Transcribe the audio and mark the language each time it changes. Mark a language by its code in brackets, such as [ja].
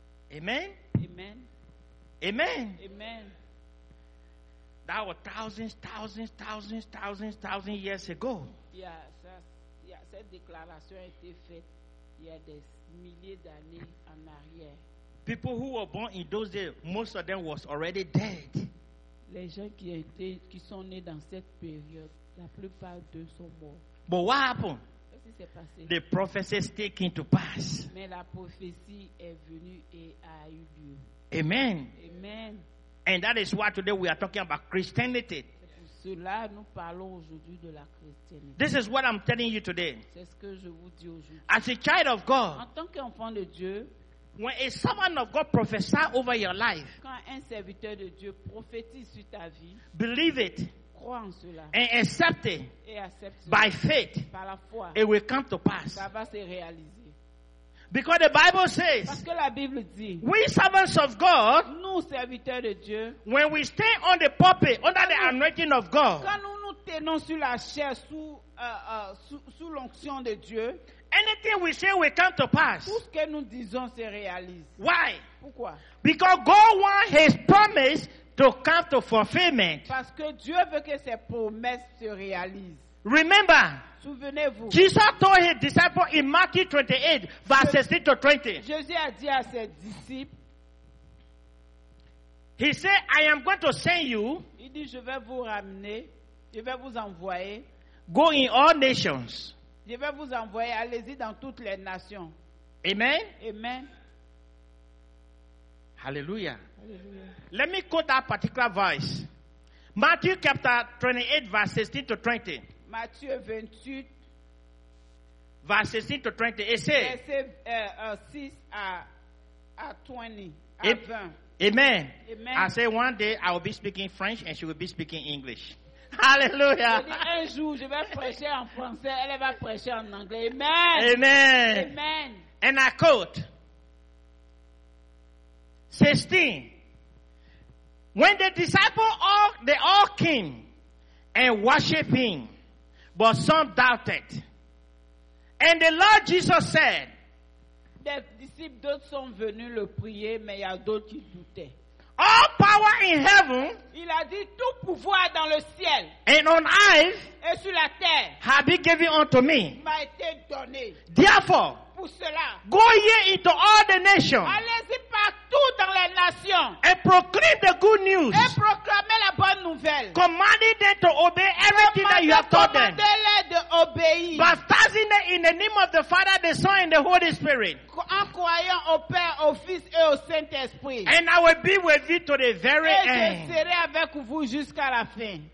[en] Amen. Amen. Amen. Amen. That was thousands years ago. [fr] Yeah, cette déclaration a été faite il y a des milliers d'années en arrière. [en] People who were born in those days, most of them was already dead. [fr] Les gens qui sont nés dans cette période, la plupart d'eux sont morts. [en] But what happened? The prophecy still came to pass. [fr] Mais la prophétie est venue et a eu lieu. [en] Amen. [fr] Amen. [en] And that is why today we are talking about Christianity. [fr] Cela, nous parlons aujourd'hui de la chrétienté. [en] This is what I'm telling you today. [fr] C'est ce que je vous dis aujourd'hui. [en] As a child of God, [fr] en tant qu'enfant de Dieu, [en] when a servant of God prophesies over your life, [fr] quand un serviteur de Dieu prophétise sur ta vie, [en] believe it. And accept it by faith, [fr] par la foi, [en] it will come to pass. [fr] Ça va se réaliser. [en] Because the Bible says, [fr] parce que la Bible dit, [en] we servants of God, [fr] nous serviteurs de Dieu, [en] when we stay on the pulpit under the anointing of God, [fr] quand nous nous tenons sur la chair sous l'onction de Dieu, [en] anything we say will come to pass. [fr] Tout ce que nous disons se réalise. [en] Why? [fr] Pourquoi? [en] Because God wants His promise to come to fulfillment. [fr] Parce que Dieu veut que ses promesses se réalisent. [en] Remember, [fr] souvenez-vous, [en] Jesus told his disciples in Matthew 28, verse 16 to 20. [fr] Jésus a dit à ses disciples, [en] he said, I am going to send you. [fr] Il dit, je vais vous ramener, je vais vous envoyer. [en] Go in all nations. [fr] Je vais vous envoyer, allez-y dans toutes les nations. [en] Amen. [fr] Amen. [en] Hallelujah. [fr] Hallelujah. [en] Let me quote that particular verse. Matthew chapter 28, verse 16 to 20. Matthew 28, verse 16 to 20. It says, [fr] 6 à 20. [en] Amen. [fr] Amen. [en] I say one day I will be speaking French and she will be speaking English. Hallelujah. [fr] Un jour je vais prêcher en français, elle va prêcher en anglais. [en] Amen. Amen. Amen. And I quote, 16. When the disciples they all came and worshiped him, but some doubted. And the Lord Jesus said, [fr] les disciples d'autres sont venus le prier, mais il y a d'autres qui doutaient. [en] All power in heaven, [fr] il a dit, tout pouvoir dans le ciel, [en] and on earth, [fr] et sur la terre, [en] have been given unto me. [fr] M'a été donné. [en] Therefore, go ye into all the nations. [fr] Allez-y partout dans les nations. [en] And proclaim the good news. [fr] Et proclamez la bonne nouvelle. [en] Commanding them to obey everything that you have taught them. [fr] Commandez-les de obéir. [en] Baptizing them in the name of the Father, the Son, and the Holy Spirit. [fr] En croyant au Père, au Fils et au Saint-Esprit. [en] And I will be with you to the very end. [fr] Et je serai avec vous jusqu'à la fin.